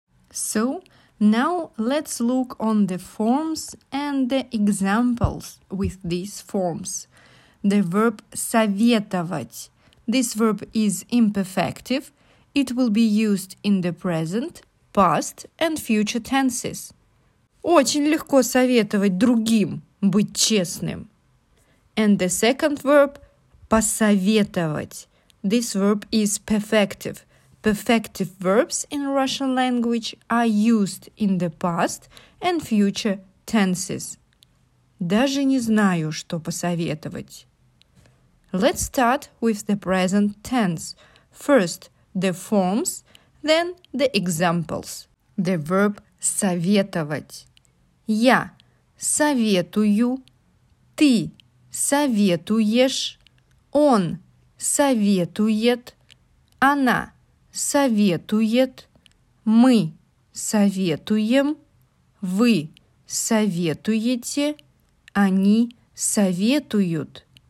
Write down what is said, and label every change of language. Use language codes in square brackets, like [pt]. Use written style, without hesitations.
[en] So, now let's look on the forms and the examples with these forms. The verb советовать. This verb is imperfective. It will be used in the present, past and future tenses. [ru] Очень легко советовать другим быть честным. [en] And the second verb – посоветовать. This verb is perfective. Perfective verbs in Russian language are used in the past and future tenses. [ru] Даже не знаю, что посоветовать. [en] Let's start with the present tense. First, the forms, then the examples. The verb советовать. [ru] Я советую, ты советуешь, он советует, она советует, мы советуем, вы советуете, они советуют.